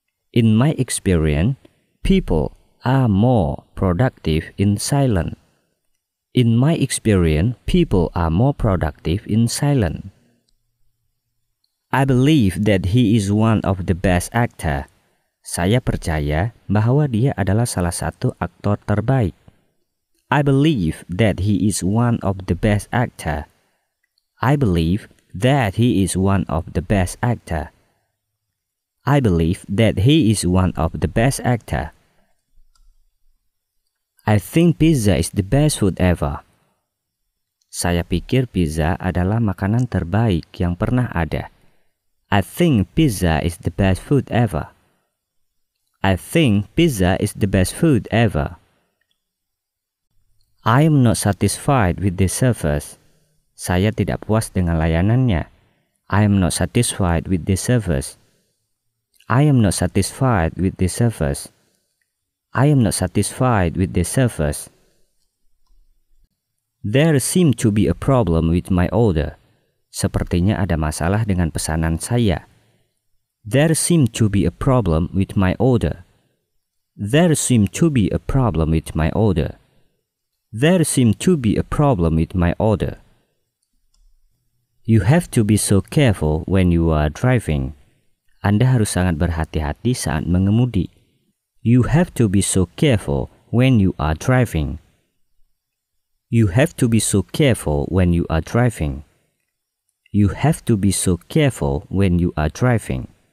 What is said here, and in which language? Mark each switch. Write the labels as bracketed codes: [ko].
[en] In my experience, people are more productive in silence. In my experience, people are more productive in silence. I believe that he is one of the best actor. [id] Saya percaya bahwa dia adalah salah satu aktor terbaik. [en] I believe that he is one of the best actor. I believe that he is one of the best actor. I believe that he is one of the best actor. I think pizza is the best food ever. [id] Saya pikir pizza adalah makanan terbaik yang pernah ada. [en] I think pizza is the best food ever. I think pizza is the best food ever. I am not satisfied with the service. [id] Saya tidak puas dengan layanannya. [en] I am not satisfied with the service. I am not satisfied with the service. I am not satisfied with the service. There seems to be a problem with my order. [id] Sepertinya ada masalah dengan pesanan saya. [en] There seems to be a problem with my order. There seems to be a problem with my order. There seems to be a problem with my order. You have to be so careful when you are driving. [id] Anda harus sangat berhati-hati saat mengemudi. [en] You have to be so careful when you are driving. You have to be so careful when you are driving. You have to be so careful when you are driving.